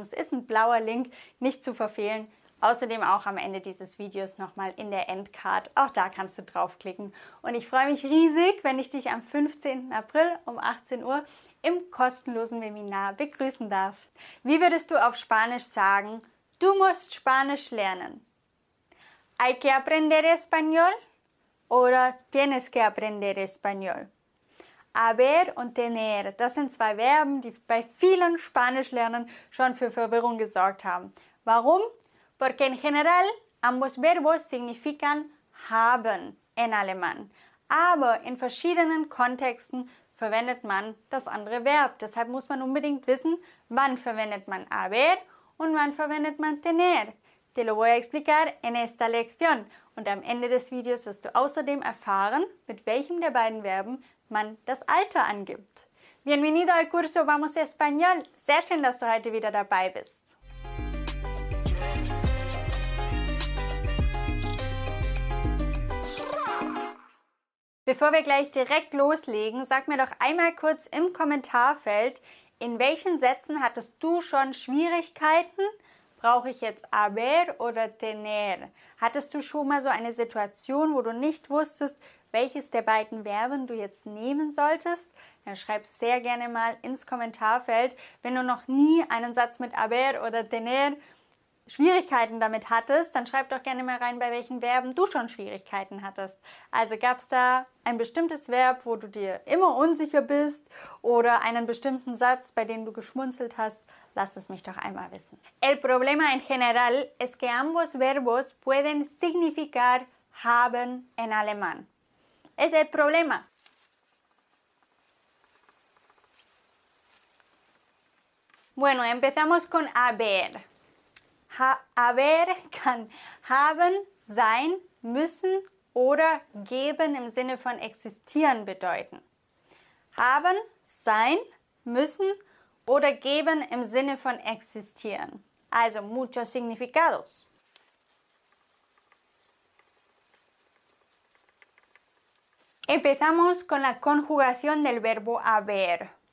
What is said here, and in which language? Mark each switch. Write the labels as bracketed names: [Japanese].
[German] Es ist ein blauer Link, nicht zu verfehlen. Außerdem auch am Ende dieses Videos nochmal in der Endcard. Auch da kannst du draufklicken. Und ich freue mich riesig, wenn ich dich am 15. April um 18 Uhr im kostenlosen Webinar begrüßen darf. Wie würdest du auf Spanisch sagen, du musst Spanisch lernen? [Spanish] ¿Hay que aprender español? [German] Oder [Spanish] tienes que aprender español? [German] Haber und tener, das sind zwei Verben, die bei vielen Spanischlernern schon für Verwirrung gesorgt haben. Warum? [Spanish] Porque en general ambos verbos significan haben en alemán. [German] Aber in verschiedenen Kontexten verwendet man das andere Verb. Deshalb muss man unbedingt wissen, wann verwendet man haber und wann verwendet man tener. [Spanish] Te lo voy a explicar en esta lección. [German] Und am Ende des Videos wirst du außerdem erfahren, mit welchem der beiden Verben man das Alter angibt. [Spanish] Bienvenido al curso Vamos Español. [German] Sehr schön, dass du heute wieder dabei bist. Bevor wir gleich direkt loslegen, sag mir doch einmal kurz im Kommentarfeld, in welchen Sätzen hattest du schon Schwierigkeiten? Brauche ich jetzt haber oder tener? Hattest du schon mal so eine Situation, wo du nicht wusstest, welches der beiden Verben du jetzt nehmen solltest? Dann schreib sehr gerne mal ins Kommentarfeld, wenn du noch nie einen Satz mit haber oder tener Schwierigkeiten damit hattest, dann schreib doch gerne mal rein, bei welchen Verben du schon Schwierigkeiten hattest. Also gab es da ein bestimmtes Verb, wo du dir immer unsicher bist oder einen bestimmten Satz, bei dem du geschmunzelt hast? Lass es mich doch einmal wissen. [Spanish] El problema en general es que ambos verbos pueden significar haben en alemán. Es el problema. Bueno, empezamos con haber. [German] Haber kann haben, sein, müssen oder geben im Sinne von existieren bedeuten. Haben, sein, müssen oder geben im Sinne von existieren. Also [Spanish] muchos significados. Empezamos con la conjugación del verbo haber.